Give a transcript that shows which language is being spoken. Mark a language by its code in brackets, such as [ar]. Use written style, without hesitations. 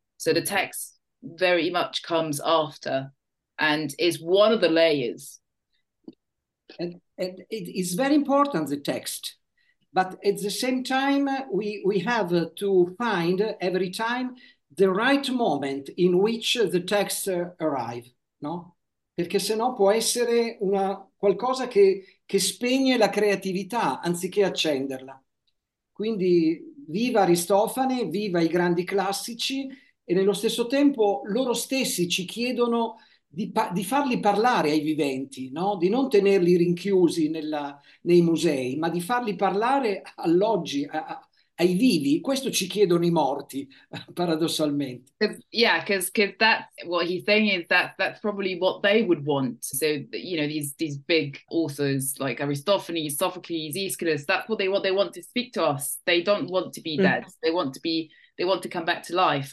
[en] So the text very much comes after and is one of the layers. And it is very important, the text. But at the same time, we have to find every time the right moment in which the text arrive. No? [it] Perché sennò può essere una qualcosa che spegne la creatività anziché accenderla. Quindi viva Aristofane, viva i grandi classici, e nello stesso tempo loro stessi ci chiedono di farli parlare ai viventi, no? Di non tenerli rinchiusi nei musei, ma di farli parlare all'oggi, ai vivi. Questo ci chiedono i morti, paradossalmente. [en] Yeah, because that's what he's saying, is that that's probably what they would want. So, you know, these big authors like Aristophanes, Sophocles, Aeschylus, that's what they want to speak to us. They don't want to be dead. Mm. They want to come back to life.